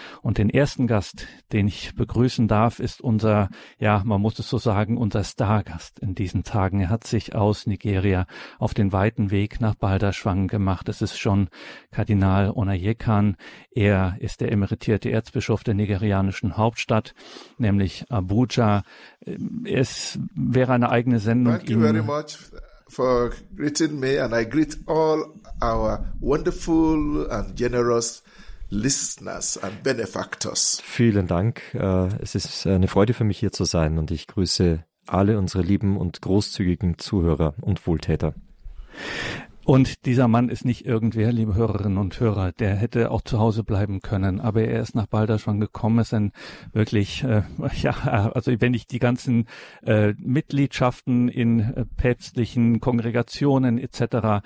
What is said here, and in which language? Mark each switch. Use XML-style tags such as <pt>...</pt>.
<de>Und den ersten Gast, den ich begrüßen darf, ist unser, ja, man muss es so sagen, unser Stargast in diesen Tagen. Er hat sich aus Nigeria auf den weiten Weg nach Balderschwang gemacht. Es ist schon Kardinal Onayekan. Er ist der emeritierte Erzbischof der nigerianischen Hauptstadt, nämlich Abuja. Es wäre eine eigene Sendung.</de> <en>Thank you very much for greeting me, and I greet all our wonderful and generous listeners and benefactors.</en> <de>Vielen Dank. Es ist eine Freude für mich, hier zu sein, und ich grüße alle unsere lieben und großzügigen Zuhörer und Wohltäter. Und dieser Mann ist nicht irgendwer, liebe Hörerinnen und Hörer, der hätte auch zu Hause bleiben können, aber er ist nach Balderschwang gekommen, ist ein wirklich, also wenn ich die ganzen Mitgliedschaften in päpstlichen Kongregationen etc.</de>